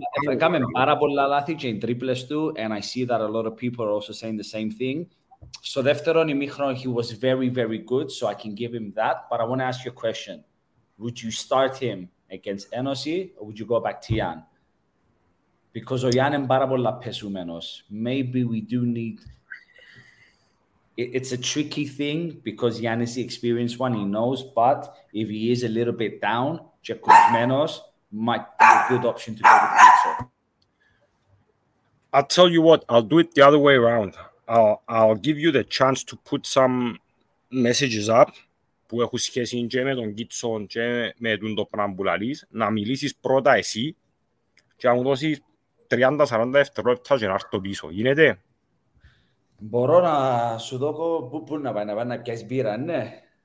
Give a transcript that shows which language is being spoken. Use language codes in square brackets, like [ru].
[el] Έκαμε πάρα πολλά λάθη και οι τρίπλες του, [en] and I see that a lot of people are also saying the same thing. So, [el] δεύτερον, ημίχρονο, [en] he was very, very good, so I can give him that. But I want to ask you a question. Would you start him against Ένωση, or would you go back to Γιάννη? Because [el] ο Γιάννη είναι πάρα πολλά πεσούμενος. [en] Maybe we do need... It's a tricky thing because Γιάννη is the experienced one, he knows, but if he is a little bit down, [el] τσεκουσμένος, [en] might be a good option to go with him. I'll tell you what, I'll do it the other way around. I'll give you the chance to put some messages up [el] που έχουν σχέση και με τον Κίτσον και με τον το πράγμα που λαλείς, να μιλήσεις πρώτα εσύ και να μου δώσεις 30-40 δευτερόλεπτα και να έρθω πίσω. Γίνεται? Μπορώ να σου δώσω πού να πάει, να πάει να πιάσεις μπύρα, ναι.